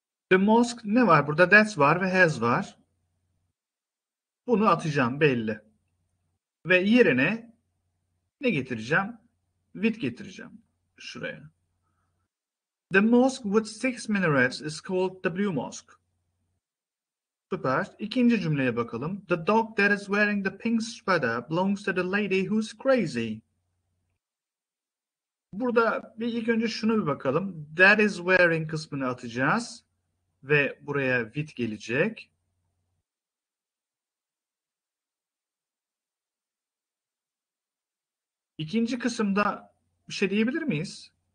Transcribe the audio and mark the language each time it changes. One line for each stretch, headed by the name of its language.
Turkish: The mosque ne var burada? That's var ve has var. Bunu atacağım belli. Ve yerine ne getireceğim? With getireceğim şuraya.
English: The mosque with six minarets is called W mosque.
Turkish: Süper. İkinci cümleye bakalım.
English: The dog that is wearing the pink sweater belongs to the lady who's crazy.
Turkish: Burada bir ilk önce şunu bir bakalım. That is wearing kısmını atacağız. Ve buraya with gelecek. İkinci kısımda bir şey diyebilir miyiz?